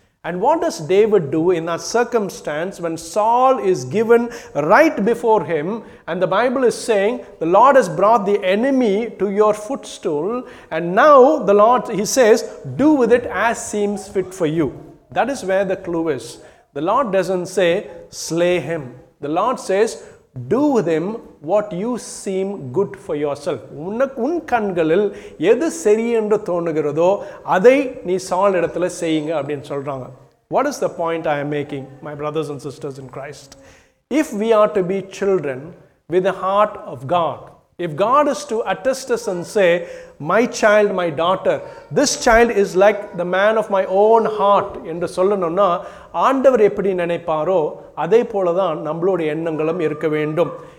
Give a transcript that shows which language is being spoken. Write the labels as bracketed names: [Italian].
[English] And what does David do in that circumstance when Saul is given right before him and the Bible is saying, the Lord has brought the enemy to your footstool and now the Lord, he says, do with it as seems fit for you. That is where the clue is. The Lord doesn't say, slay him. The Lord says, do with him what you seem good for yourself. [Tamil] உன் கண்களில் எது சரி என்று தோணுகிறதோ அதை நீ சால் இடத்துல செய்யுங்க அப்படின்னு சொல்றாங்க. [English] What is the point I am making, my brothers and sisters in Christ? If we are to be children with the heart of God, if God is to attest us and say, my child, my daughter, this child is like the man of my own heart, [Tamil] என்று சொல்லணும்னா ஆண்டவர் எப்படி நினைப்பாரோ அதே போலதான் நம்மளுடைய எண்ணங்களும் இருக்க வேண்டும்.